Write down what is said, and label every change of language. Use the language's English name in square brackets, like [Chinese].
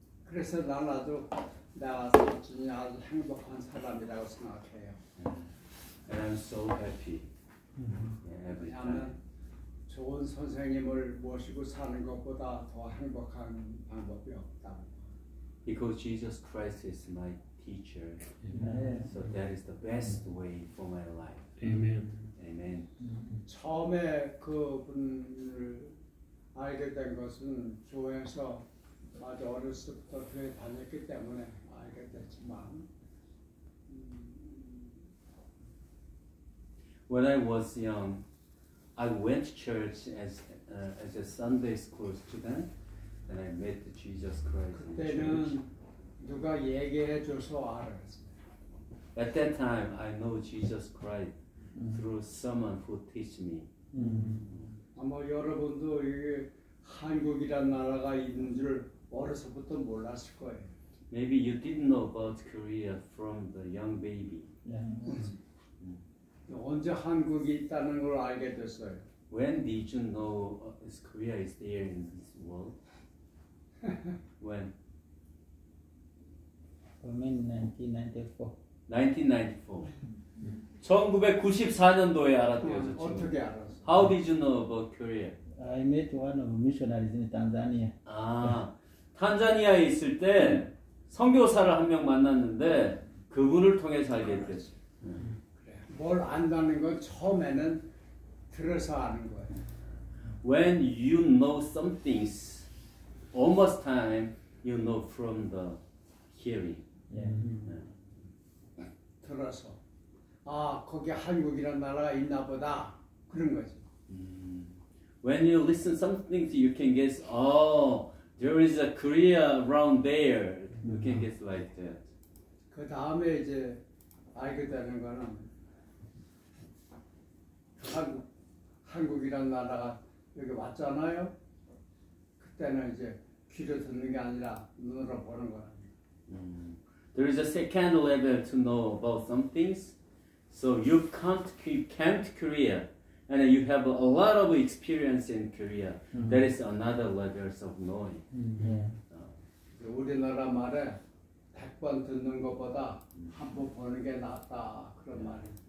[Korean] 그래서 나라도 나와서 진짜 행복한 사람이라고 생각해요. [English] And I'm so happy every time. [Korean] 좋은 선생님을 모시고 사는 것보다 더 행복한 방법이 없다. [English] Because Jesus Christ is my teacher. Amen. So that is the best way for my life. Amen. Amen. [Korean] 처음에 그분을 알게 된 것은 교회에서 아주 어렸을 때부터 교회 다녔기 때문에 알게 됐지만 [English] When I was young, I went to church as a Sunday school student. And I met Jesus Christ. [Korean] 그때는 누가 얘기해줘서 알았어요. [English] At that time, I know Jesus Christ through someone who teach me. [Korean] 아마 여러분도 이게 한국이란 나라가 있는 줄 어려서부터 몰랐을 거예요. [English] Maybe you didn't know about Korea from the young baby. [Korean] 언제 한국이 있다는 걸 알게 됐어요? [English] When did you know Korea is there in this world? When? From [Korean] 1994. 1994. 1994년도에 알았대요, 저 어떻게 알았어? [English] How did you know about Korea? I met one of missionaries in Tanzania. [Korean] 아, 탄자니아에 있을 때 선교사를 한 명 만났는데 그분을 통해서 알게 됐어. 뭘 안다는 건 처음에는 들어서 아는 거예요. [English] When you know some things, almost time you know from the hearing. [Korean] 들어서 아 거기 한국이란 나라가 있나 보다 그런 거지. [English] When you listen something, you can guess. Oh, there is a Korea around there. You can guess like that. [Korean] 그 다음에 이제 알게 되는 거는 한국이란 나라가 여기 왔잖아요. 그때는 이제 귀로 듣는 게 아니라 눈으로 보는 거야. [English] There is a second level to know about some things. So you come to Korea, and you have a lot of experience in Korea. That is another level of knowing. Mm-hmm. [Korean] 우리나라 말에 100번 듣는 것보다 한번 보는 게 낫다 그런 말이.